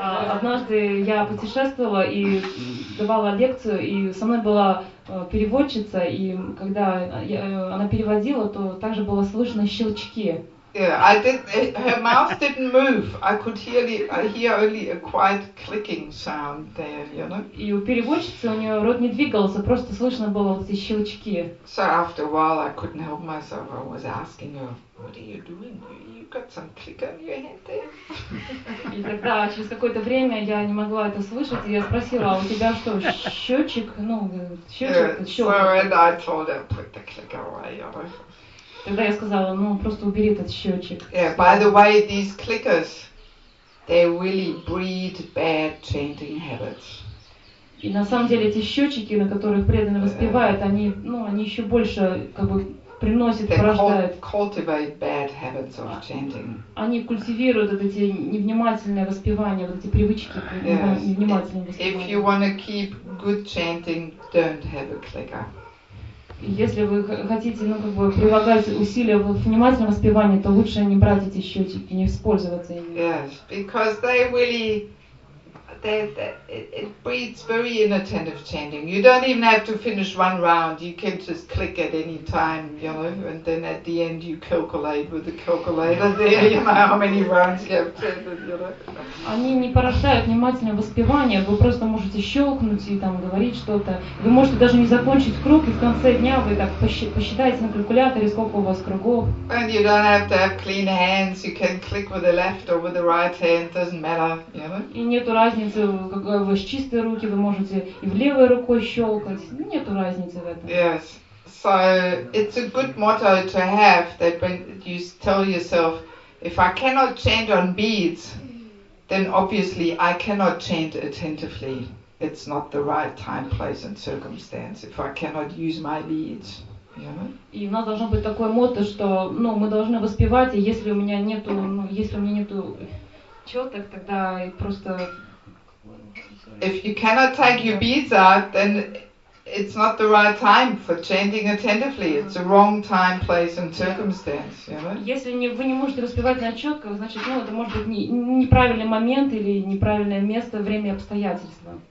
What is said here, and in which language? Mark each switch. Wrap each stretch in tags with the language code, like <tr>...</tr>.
<ru>Однажды я путешествовала и давала лекцию, и со мной была переводчица, и когда она переводила, то также было слышно щелчки.</ru> <en>Yeah, her mouth didn't move. I could hear only a quiet clicking sound there, you know.</en> <ru>И у переводчицы у нее рот не двигался, просто слышно было эти щелчки.</ru> <en>So after a while, I couldn't help myself. I was asking her, "What are you doing? You got some click on your head there?"</en> <ru>И тогда через какое-то время я не могла это слышать, и я спросила, "А у тебя что, счетчик? Ну, счетчик,</ru> <en>yeah, so and I told her, "Put the click away, you know."</en> <ru>Тогда я сказала, ну просто убери этот счетчик.</ru> <en>Yeah, by the way, these clickers, they really breed bad chanting habits.</en> <ru>И на самом деле эти счетчики, на которых преданные воспевают, они, ну, они еще больше как бы приносят, порождают.</ru> <en>Cultivate bad habits of chanting.</en> <ru>Они культивируют вот эти невнимательные воспевания, вот эти привычки невнимательные воспевания.</ru> <en>If you want to keep good chanting, don't have a clicker.</en> <ru>Если вы хотите, ну, как бы, прилагать усилия в внимательном воспевании, то лучше не брать эти счетчики, не использоваться ими.</ru> <en>Yes, because they really, it breeds very inattentive chanting. You don't even have to finish one round, you can just click at any time, you know, and then at the end you calculate with the calculator there, you know, how many rounds you have chanted, you know.</en> <ru>Они не порождают внимательное воспевание, вы просто можете щелкнуть и там говорить что-то. Вы можете даже не закончить круг, и в конце дня вы так посчитаете на калькуляторе, сколько у вас кругов.</ru> <en>And you don't have to have clean hands, you can click with the left or with the right hand, doesn't matter, you know.</en> <ru>И нету разницы. Как у вас чистые руки, вы можете и в левой рукой щелкать. Нету разницы в этом.</ru> <en>Yes. So it's a good motto to have that when you tell yourself, if I cannot chant on beads, then obviously I cannot chant attentively. It's not the right time, place and circumstance if I cannot use my beads.</en> <ru>И у нас должно быть такое мото, что ну мы должны воспевать, и если у меня нету, ну если у меня нету четок, тогда просто.</ru> <en>If you cannot take your beads out, then it's not the right time for chanting attentively. It's the wrong time, place, and circumstance. You know?</en> <ru>Если не, вы не можете распевать начетко, значит, ну это может быть неправильный момент или неправильное место, время, обстоятельства.</ru>